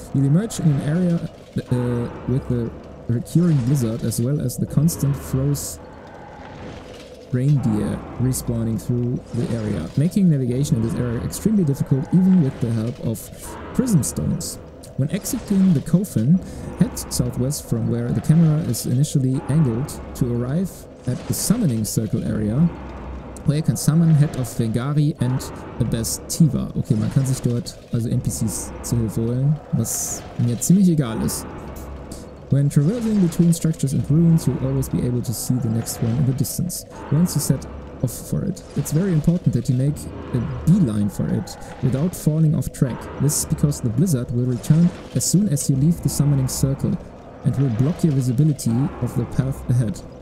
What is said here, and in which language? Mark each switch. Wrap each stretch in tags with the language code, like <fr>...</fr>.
<en>You'll emerge in an area with the recurring blizzard as well as the constant froze reindeer respawning through the area, making navigation in this area extremely difficult even with the help of prism stones. When exiting the coffin, head southwest from where the camera is initially angled to arrive at the summoning circle area. Where you can summon Head of Vengari and Abestiva.</en> <de>Okay, man kann sich dort also NPCs zu Hilfe holen, was mir ziemlich egal ist.</de> <en>When traversing between structures and ruins, you'll always be able to see the next one in the distance. Once you set off for it, it's very important that you make a beeline for it without falling off track. This is because the blizzard will return as soon as you leave the summoning circle and will block your visibility of the path ahead.</en>